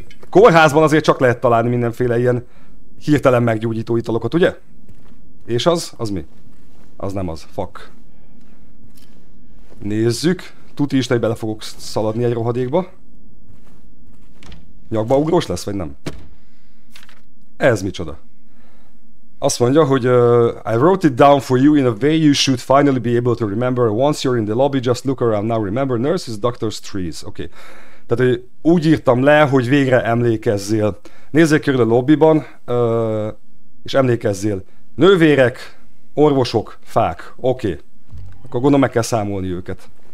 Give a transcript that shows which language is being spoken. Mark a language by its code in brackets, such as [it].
[hu] Kórházban azért csak lehet találni mindenféle ilyen hirtelen meggyógyító italokat, ugye? És az? Az mi? Az nem az. Fuck. Nézzük. Tuti is, hogy bele fogok szaladni egy rohadékba. Nyakba ugrós lesz, vagy nem? Ez micsoda? Azt mondja, hogy [en] I wrote it down for you in a way you should finally be able to remember. Once you're in the lobby, just look around now. Remember nurses, doctors, trees. Oké. Okay. [hu] Tehát, hogy úgy írtam le, hogy végre emlékezzél. Nézzél körül a lobbyban, és emlékezzél. Nővérek, orvosok, fák. Oké. Okay. Akkor gondolom meg kell számolni őket.